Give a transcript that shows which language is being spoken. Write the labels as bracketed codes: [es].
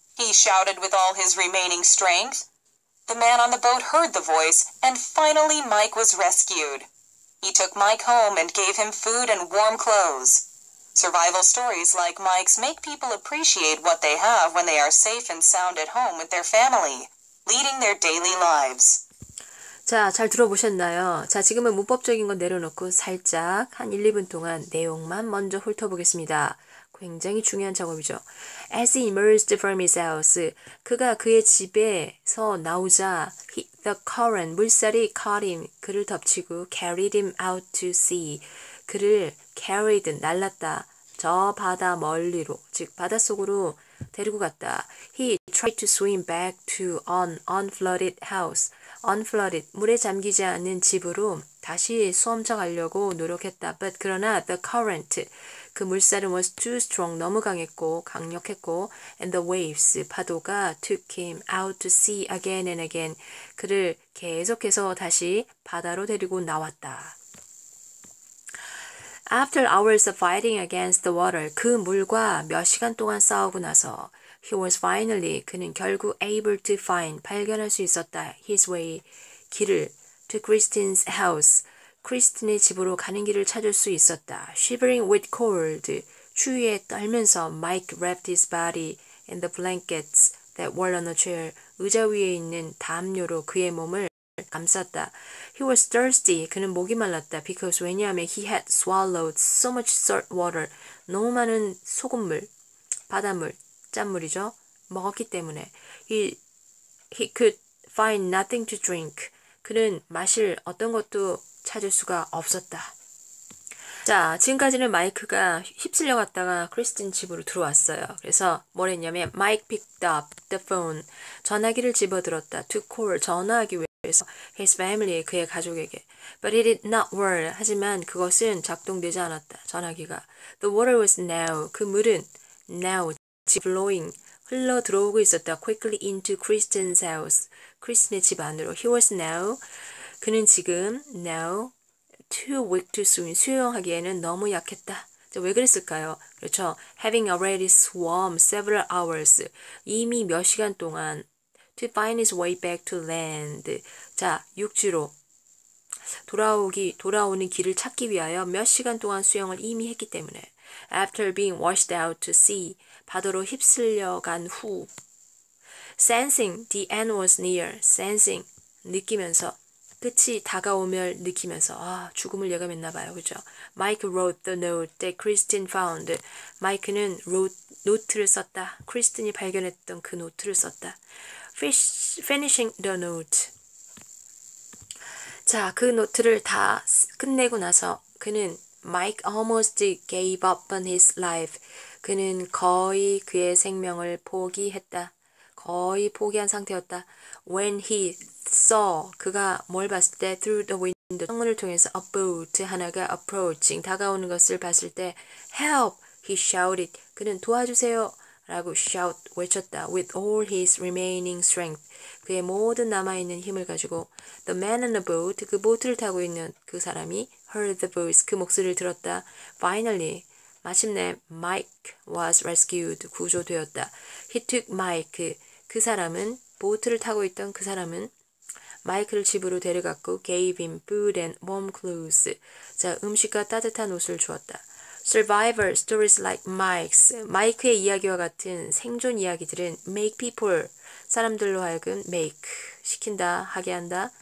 [en] he shouted with all his remaining strength. The man on the boat heard the voice, and finally Mike was rescued. He took Mike home and gave him food and warm clothes. Survival stories like Mike's make people appreciate what they have when they are safe and sound at home with their family, leading their daily lives. [ko] 자, 잘 들어보셨나요? 자, 지금은 문법적인 건 내려놓고 살짝 한 1, 2분 동안 내용만 먼저 훑어보겠습니다. 굉장히 중요한 작업이죠. [en] As he emerged from his house, [ko] 그가 그의 집에서 나오자, [en] the current, [ko] 물살이 [en] caught him, [ko] 그를 덮치고 [en] carried him out to sea, [ko] 그를 carried, 날랐다, 저 바다 멀리로, 즉 바닷속으로 데리고 갔다. [en] He tried to swim back to an unflooded house. [ko] Unflooded, 물에 잠기지 않은 집으로 다시 수험쳐 가려고 노력했다. [en] But [ko] 그러나 [en] the current, [ko] 그 물살은 [en] was too strong, [ko] 너무 강했고 강력했고, [en] and the waves, [ko] 파도가 [en] took him out to sea again and again. [ko] 그를 계속해서 다시 바다로 데리고 나왔다. [en] After hours of fighting against the water, [ko] 그 물과 몇 시간 동안 싸우고 나서, [en] he was finally, [ko] 그는 결국 [en] able to find, [ko] 발견할 수 있었다, [en] his way, [ko] 길을, [en] to Christine's house, [ko] 크리스틴의 집으로 가는 길을 찾을 수 있었다. [en] Shivering with cold, [ko] 추위에 떨면서, [en] Mike wrapped his body in the blankets that were on a chair, [ko] 의자 위에 있는 담요로 그의 몸을 감쌌다. [en] He was thirsty. [ko] 그는 목이 말랐다. [en] Because [ko] 왜냐하면 [en] he had swallowed so much salt water. [ko] 너무 많은 소금물, 바닷물, 짠물이죠. 먹었기 때문에. [en] He could find nothing to drink. [ko] 그는 마실 어떤 것도 찾을 수가 없었다. 자, 지금까지는 마이크가 휩쓸려 갔다가 크리스틴 집으로 들어왔어요. 그래서 뭘 했냐면, [en] Mike picked up the phone. [ko] 전화기를 집어들었다. [en] To call. [ko] 전화하기 위해. [en] His family, [ko] 그의 가족에게. [en] But it did not work. [ko] 하지만 그것은 작동되지 않았다. 전화기가. [en] The water was now. [ko] 그 물은 [en] now. Blowing. [ko] 흘러 들어오고 있었다. [en] Quickly into Christian's house. [ko] 크리스틴의 집 안으로. [en] He was now. [ko] 그는 지금 now. [en] Too weak to swim. [ko] 수영하기에는 너무 약했다. 왜 그랬을까요? 그렇죠. [en] Having already swum several hours. [ko] 이미 몇 시간 동안. [en] To find his way back to land. [ko] 자, 육지로 돌아오는 길을 찾기 위하여 몇 시간 동안 수영을 이미 했기 때문에. [en] After being washed out to sea, [ko] 바다로 휩쓸려 간 후. [en] Sensing the end was near. [ko] Sensing, 느끼면서. 끝이 다가오면 느끼면서. 아, 죽음을 예감했나 봐요. 그죠? [en] Mike wrote the note that Christine found. [ko] 마이크는 노트를 썼다. 크리스틴이 발견했던 그 노트를 썼다. [en] Finishing the note. [ko] 자, 그 노트를 다 끝내고 나서 그는 [en] Mike almost gave up on his life. [ko] 그는 거의 그의 생명을 포기했다. 거의 포기한 상태였다. [en] When he saw, [ko] 그가 뭘 봤을 때 [en] through the window, [ko] 창문을 통해서 [en] a boat [ko] 하나가 [en] approaching, [ko] 다가오는 것을 봤을 때 [en] help, he shouted. [ko] 그는 도와주세요 라고 shout 외쳤다. [en] With all his remaining strength, [ko] 그의 모든 남아있는 힘을 가지고. [en] The man on the boat, [ko] 그 보트를 타고 있는 그 사람이 [en] heard the voice, [ko] 그 목소리를 들었다. [en] Finally, [ko] 마침내 [en] Mike was rescued, [ko] 구조되었다. [en] He took Mike, [ko] 그 사람은 보트를 타고 있던 그 사람은 마이클을 집으로 데려갔고 [en] gave him food and warm clothes. [ko] 자, 음식과 따뜻한 옷을 주었다. [en] Survivor stories like Mike's. [ko] 마이크의 이야기와 같은 생존 이야기들은 [en] make people, [ko] 사람들로 하여금 make, 시킨다, 하게 한다.